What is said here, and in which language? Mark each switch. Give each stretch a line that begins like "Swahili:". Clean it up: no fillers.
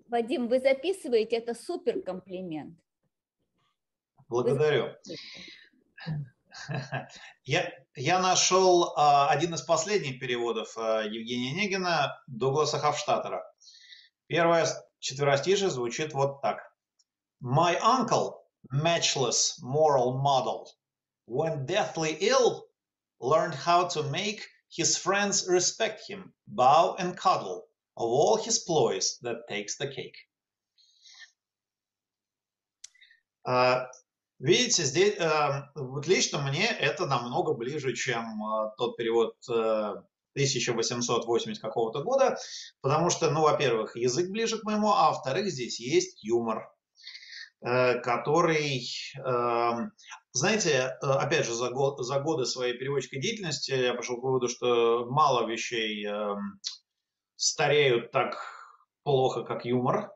Russian: Вадим, вы записываете, это суперкомплимент. Благодарю. Я нашел один из последних переводов Евгения Онегина, Дугласа Хофштаттера. Первое четверостишье звучит вот так.
English: My uncle, matchless moral model, when deathly ill, learned how to make his friends respect him, bow and cuddle, of all his ploys that takes the cake.
Russian: Видите, здесь вот лично мне это намного ближе, чем тот перевод 1880 какого-то года, потому что, ну, во-первых, язык ближе к моему, а во-вторых, здесь есть юмор, который, знаете, опять же, за годы своей переводческой деятельности я пошел к выводу, что мало вещей стареют так плохо, как юмор.